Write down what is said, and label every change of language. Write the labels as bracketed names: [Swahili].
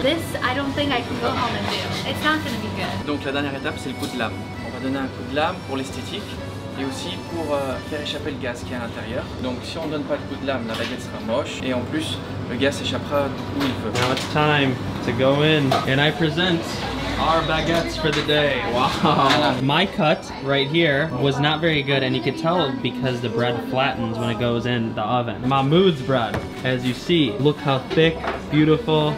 [English] This, I don't think I can go home and do. It's not gonna be good. [French] Donc la dernière étape, c'est le coup de lame. On va donner un coup de lame pour l'esthétique et aussi pour faire échapper le gaz qui est à l'intérieur. Donc si on donne pas le coup de lame, la baguette sera moche et en plus, le gaz s'échappera où il veut. [English] Now it's time to go in and I present our baguettes for the day. Wow. My cut right here was not very good and you could tell because the bread flattens when it goes in the oven. Mahmoud's bread, as you see, look how thick, beautiful.